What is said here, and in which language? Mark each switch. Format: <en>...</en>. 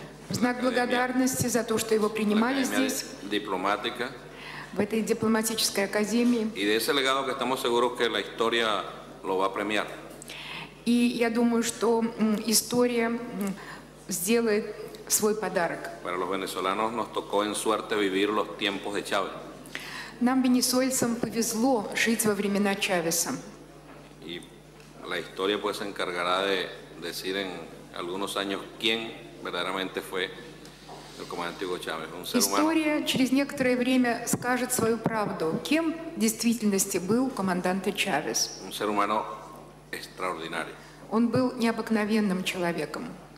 <ru>в знак благодарности за то, что его принимали здесь, дипломатика, в этой дипломатической академии.</ru> <es>Y de ese legado que estamos seguros que la historia lo va a premiar.</es> <ru>И я думаю, что история сделает свой подарок.</ru> <es>Para los venezolanos nos tocó en suerte vivir los tiempos de Chávez.</es> <ru>Нам, венесуэльцам, повезло жить во времена Чавеса.</ru> <es>Y la historia pues se encargará de decir en algunos años quién verdaderamente fue el comandante Hugo Chávez, un ser humano.</es> <ru>История через некоторое время скажет свою правду, кем в действительности был командант Чавес.</ru> <es>Un ser humano extraordinario.</es> <ru>Он был необыкновенным человеком.</ru>